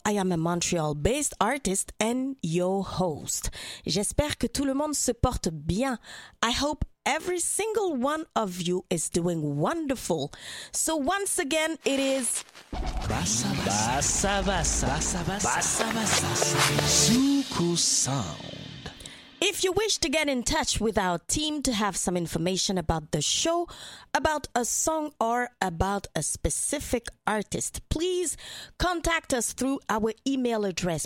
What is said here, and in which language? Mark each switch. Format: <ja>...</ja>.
<en>I am a Montreal-based artist and your host.</en> <fr>J'espère que tout le monde se porte bien.</fr> <en>I hope every single one of you is doing wonderful. So once again, it is Bassa. Suku Sound. If you wish to get in touch with our team to have some information about the show, about a song, or about a specific artist, please contact us through our email address.</en>